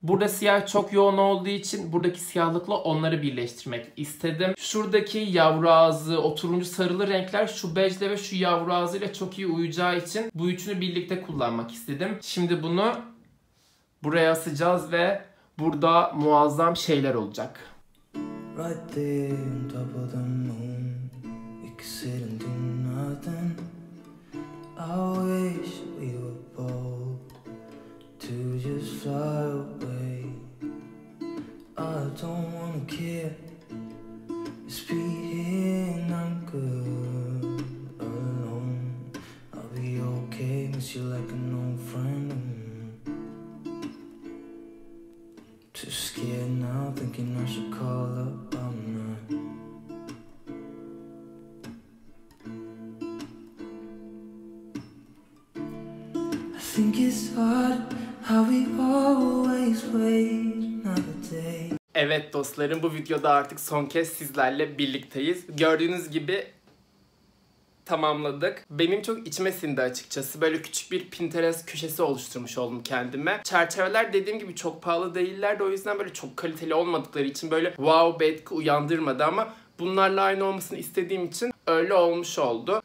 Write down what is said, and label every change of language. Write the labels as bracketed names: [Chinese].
[Turkish] Burada siyah çok yoğun olduğu için buradaki siyahlıkla onları birleştirmek istedim. Şuradaki yavru ağzı, o turuncu sarılı renkler şu bejle ve şu yavru ağzıyla çok iyi uyacağı için bu üçünü birlikte kullanmak istedim. Şimdi bunu buraya asacağız ve burada muazzam şeyler olacak. [English] Right there on top of the moon, exhaling to nothing. I wish we were bold to just fly away. I don't wanna care, it's being I'm good alone. I'll be okay, miss you like an old friend. Too scared now, thinking I should call up, I'm not. I think it's hard how we always wait another day. [Turkish] Evet dostlarım, bu videoda artık son kez sizlerle birlikteyiz. Gördüğünüz gibi tamamladık. Benim çok içime sindi açıkçası. Böyle küçük bir Pinterest köşesi oluşturmuş oldum kendime. Çerçeveler dediğim gibi çok pahalı değiller de o yüzden böyle çok kaliteli olmadıkları için böyle wow bir etki uyandırmadı ama bunlarla aynı olmasını istediğim için öyle olmuş oldu.